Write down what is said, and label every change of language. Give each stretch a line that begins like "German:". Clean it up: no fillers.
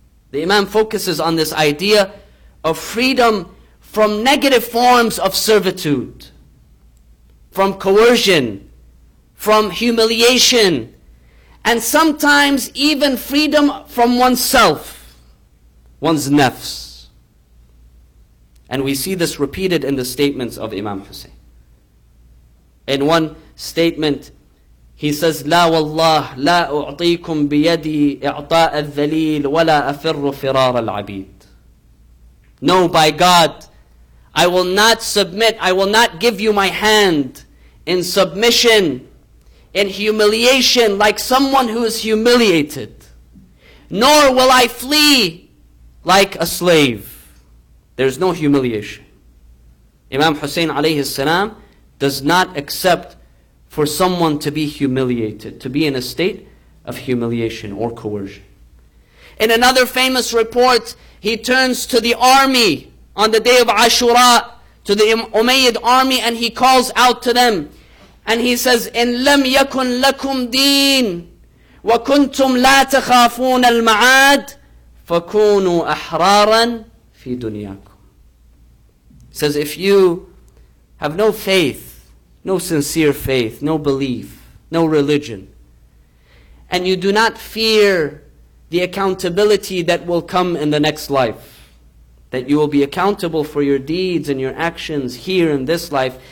English: The Imam focuses on this idea of freedom from negative forms of servitude, from coercion, from humiliation, and sometimes even freedom from oneself, one's nafs. And we see this repeated in the statements of Imam Hussein. In one statement, he says,
Arabic: لا والله لا أعطيكم بيدي إعطاء الذليل ولا أفر فرار العبيد.
English: No, by God, I will not submit, I will not give you my hand in submission, in humiliation, like someone who is humiliated. Nor will I flee like a slave. There is no humiliation. Imam Hussein alayhi salam does not accept for someone to be humiliated, to be in a state of humiliation or coercion. In another famous report, he turns to the army on the day of Ashura to the Umayyad army and he calls out to them. And he says,
Arabic: إِن لَمْ يَكُنْ لَكُمْ دِينَ وَكُنْتُمْ لَا تَخَافُونَ الْمَعَادِ فَكُونُوا أَحْرَارًا فِي دُنْيَاكُمْ.
English: He says, if you have no faith, no sincere faith, no belief, no religion, and you do not fear the accountability that will come in the next life, that you will be accountable for your deeds and your actions here in this life.